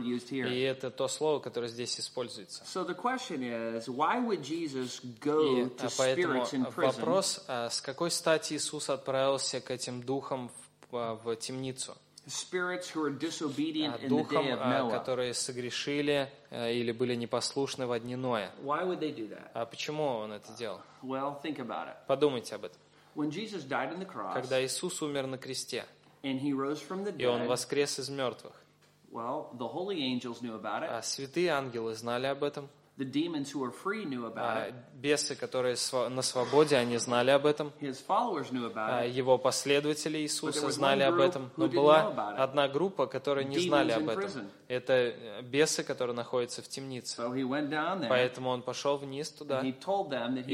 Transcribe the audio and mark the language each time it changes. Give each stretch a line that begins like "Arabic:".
Russian: И это то слово, которое здесь используется.
English: So the question is, why would Jesus go to spirits in prison?
Russian: Вопрос, с какой стати Иисус отправился к этим духам в темницу?
English: Spirits who are disobedient in
Russian: духом,
English: the day of Noah.
Russian: Которые согрешили или были непослушны во дни Ноя.
English: Why would they do that?
Russian: Почему он это делал?
English: Well, think about it.
Russian: Подумайте об этом.
English: When Jesus died on the cross,
Russian: когда Иисус умер на кресте,
English: and he rose from the dead,
Russian: и он воскрес из мертвых,
English: well, the holy angels knew about it.
Russian: Святые ангелы знали об этом.
English: The demons who were free knew about it.
Russian: Бесы, которые на свободе, они знали об этом.
English: His followers knew about it.
Russian: Его последователи Иисуса знали об этом. Но была одна группа, которая не знали об этом. Это бесы, которые находятся в темнице.
English: So he went down there.
Russian: Поэтому он пошел вниз туда.
English: And he told them that he